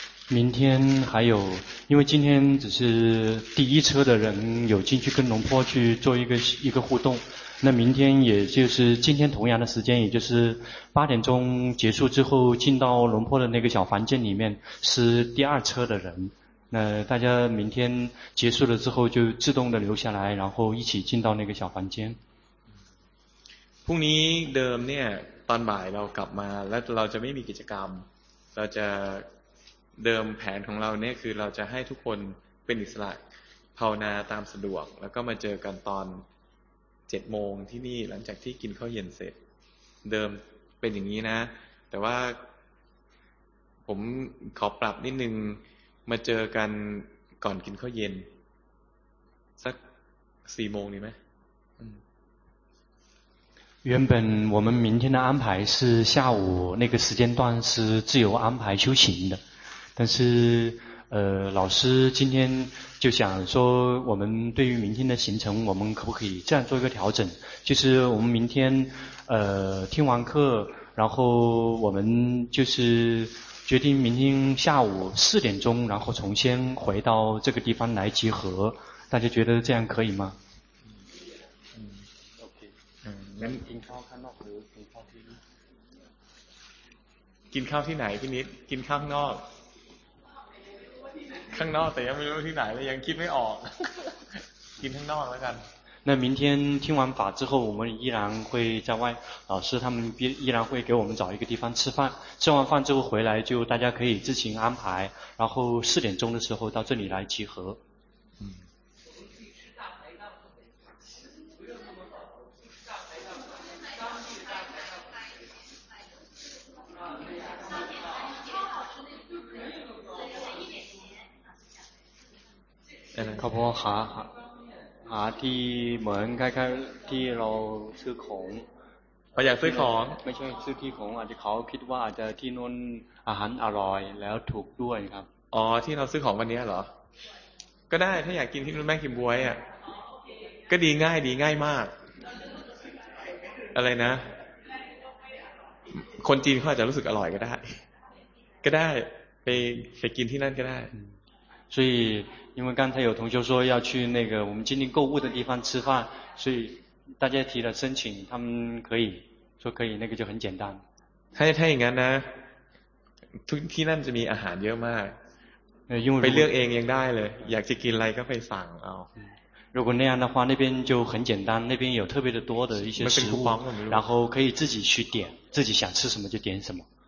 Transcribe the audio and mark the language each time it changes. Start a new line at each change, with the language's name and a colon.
Chinese: 明天还有，因为今天只是第一车的人有进去跟龙坡去做一个互动，那明天也就是今天同样的时间，也就是8点结束之后进到龙坡的那个小房间里面是第二车的人，那大家明天结束了之后就自动的留下来，然后一起进到那个小房间。
Thai: พรุ่งนี้เดิมเนี่ยตอนบ่ายเรากลับมาแล้วเราจะไม่มีกิจกรรมเราจะเดิมแผนของเราเนี่ยคือเราจะให้ทุกคนเป็นอิสระภาวนาตามสะดวกแล้วก็มาเจอกันตอน7 โมงที่นี่หลังจากที่กินข้าวเย็นเสร็จเดิมเป็นอย่างนี้นะแต่ว่าผมขอปรับนิดนึงมาเจอกันก่อนกินข้าวเย็นสัก4 โมงดีไหม
Chinese: 原本我们明天的安排是下午那个时间段是自由安排修行的但是老师今天就想说我们对于明天的行程我们可不可以这样做一个调整就是我们明天听完课然后我们就是决定明天下午4点然后重新回到这个地方来集合大家觉得这样可以吗
Thai: กินข้าวที่ไหนพี่นิดกินข้าวนอกข้างนอกแต่ยังไม่รู้ที่ไหนเลยยังคิดไม่ออกกินข้างนอกแล้วกัน
Chinese: 那明天听完法之后我们依然会在外老师他们依然会给我们找一个地方吃饭吃完饭之后回来就大家可以自行安排然后4点的时候到这里来集合
Thai: ครับพ่อหาที่เหมือนคล้ายๆที่เราซื้อของ พออยากซื้อของ ไม่ใช่ซื้อที่ของอาจจะเขาคิดว่าอาจจะที่นู้นอาหารอร่อยแล้วถูกด้วยครับ อ๋อที่เราซื้อของวันนี้เหรอก็ได้ถ้าอยากกินที่นู้นแม่กินบวยอ่ะก็ดีง่ายดีง่ายมากอะไรนะคนจีนเขาอาจจะรู้สึกอร่อยก็ได้ก็ได้ไปกินที่นั่นก็ได้
Chinese: 所以因为刚才有同学说要去那个我们今天购物的地方吃饭所以大家提了申请他们可以说可以那个就很简单
Thai: ถ้าอย่างนั้นนะที่นั่นจะมีอาหารเยอะมากไปเลือกเองยังได้เลยอยากจะกินอะไรก็ไปสั่งเอา
Chinese: 如果那样的话那边就很简单那边有特别的多的一些食物然后可以自己去点自己想吃什么就点什么